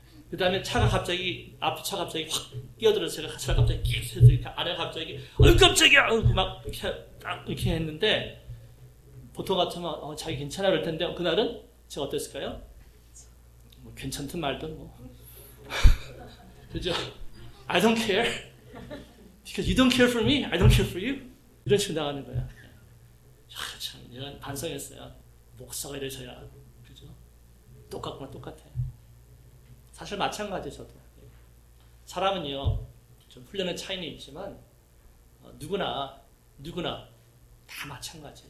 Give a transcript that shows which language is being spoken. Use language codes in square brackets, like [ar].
[ko] 그 다음에 차가 갑자기 앞에 차가 갑자기 확 뛰어들어서 제가 차를 갑자기 끼우쳐드리니까 아내가 갑자기 어이 깜짝이야 막 이렇게 딱 이렇게 했는데 보통 같으면 자기 괜찮아 그럴 텐데 그날은 제가 어땠을까요? 뭐 괜찮든 말든 뭐 그죠? [en] I don't care because you don't care for me. I don't care for you. [ko] 이런 식으로 나가는 거야. 아, 참 이런 반성했어요. 목사가 이래서야 그죠? 똑같구나 똑같아. 사실 마찬가지 저도 사람은요 좀 훈련의 차이는 있지만 누구나. 다 마찬가지예요.